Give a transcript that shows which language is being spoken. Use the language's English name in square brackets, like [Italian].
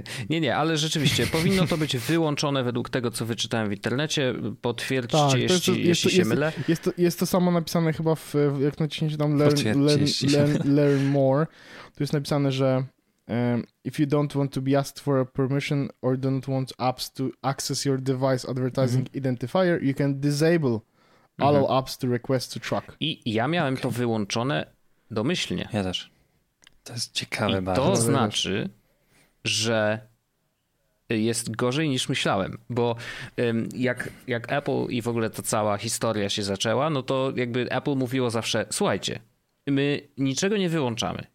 [Polish] Nie, nie, ale rzeczywiście powinno to być wyłączone według tego, co wyczytałem w internecie. Potwierdźcie, tak, jeśli się mylę. Jest to samo napisane chyba jak naciśnięcie tam learn more. Tu jest napisane, że [English] if you don't want to be asked for a permission or don't want apps to access your device advertising identifier, you can disable allow apps to request to track. [Polish] I ja miałem to wyłączone domyślnie. Ja też. To jest ciekawe i bardzo. To znaczy, że jest gorzej niż myślałem, bo jak Apple i w ogóle ta cała historia się zaczęła, no to jakby Apple mówiło zawsze, słuchajcie, my niczego nie wyłączamy.